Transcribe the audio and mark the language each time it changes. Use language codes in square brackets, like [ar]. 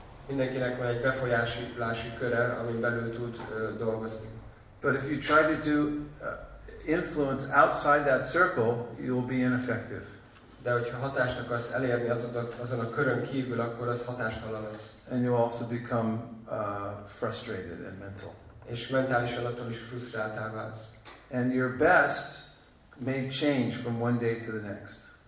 [hu] Mindenkinek van egy befolyásolási köre, amin belül tud dolgozni. [en] But if you try to do influence outside that circle, you'll be ineffective. [hu] De hogyha hatást akarsz elérni azon a körön kívül, akkor az hatástalan lesz. [en] And you also become frustrated and mental. [hu] És mentálisan attól is frusztráltá válsz. [en] And your best may change from one day to the next.